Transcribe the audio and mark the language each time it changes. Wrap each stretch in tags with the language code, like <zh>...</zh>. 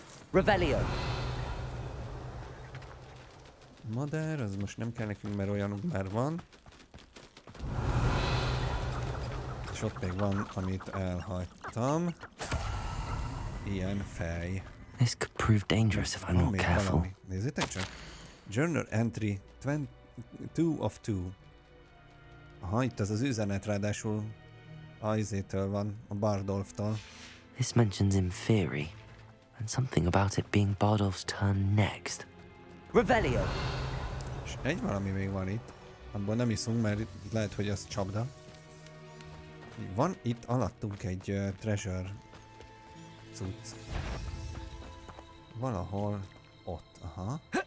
<hu>Revelio. Madár, az most nem kell nekünk, mert olyanunk már van. És ott még van, amit elhagytam. Ilyen fej.</hu> <en>This could prove dangerous if I'm not careful.</en> <hu>Valami. Nézzétek csak.</hu> <en>Journal entry 22 of 2.</en> <hu>Aha, itt az üzenet ráadásul Ajzétől van, a Bardolftól.</hu> <en>This mentions in theory and something about it being Bardolf's turn next. Revelio!</en> <hu>És egy valami még van itt. Abból nem iszunk, mert itt lehet, hogy az csapda. Van itt alattunk egy treasure cucc. Valahol ott, aha.</hu>